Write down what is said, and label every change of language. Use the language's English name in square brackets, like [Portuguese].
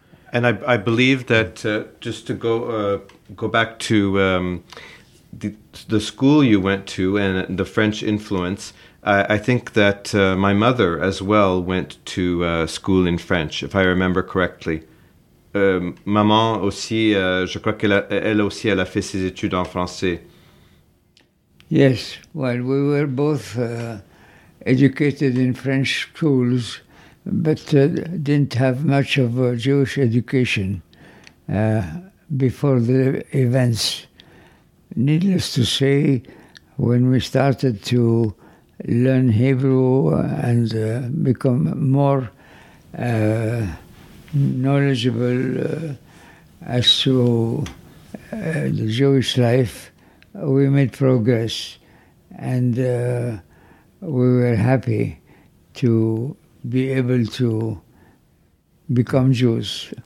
[English] And I believe that just to go back to the school you went to and the French influence, I think that my mother as well went to school in French, if I remember correctly. [French] Maman aussi, je crois qu'elle aussi elle a fait ses études en français. [English] Yes, well, we were both educated in French schools, but didn't have much of a Jewish education before the events. Needless to say, when we started to learn Hebrew and become more knowledgeable as to the Jewish life, we made progress, and we were happy to be able to become Jews.